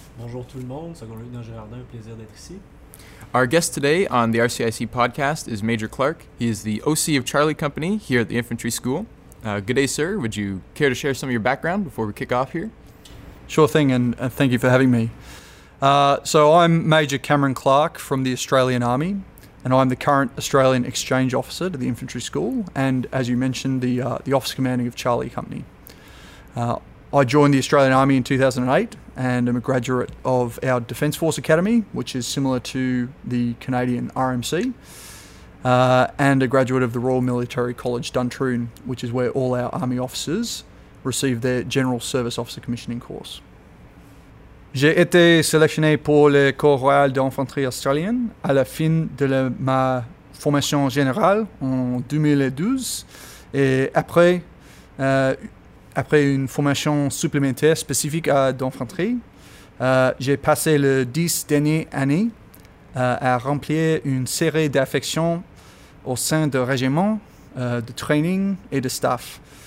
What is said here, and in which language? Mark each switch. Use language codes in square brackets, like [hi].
[fr] Bonjour tout le monde, 2nd Lieutenant Girardin, plaisir d'être ici. [en] Our guest today on the RCIC podcast is Major Clarke. He is the OC of Charlie Company here at the Infantry School. Good day, sir. Would you care to share some of your background before we kick off here? Sure thing, and thank you for having me. So I'm Major Cameron Clarke from the Australian Army, and I'm the current Australian Exchange Officer to the Infantry School, and as you mentioned, the Officer Commanding of Charlie Company. I joined the Australian Army in 2008, and I'm a graduate of our Defence Force Academy, which is similar to the Canadian RMC. And a graduate of the Royal Military College Duntroon, which is where all our Army officers receive their General Service Officer Commissioning course. [fr] J'ai été sélectionné pour le Corps Royal d'Infanterie Australienne à la fin de ma formation générale en 2012 et après une formation supplémentaire spécifique à d'infanterie, j'ai passé les 10 dernières années à remplir une série d'affections au sein de régiments, de training et de staff.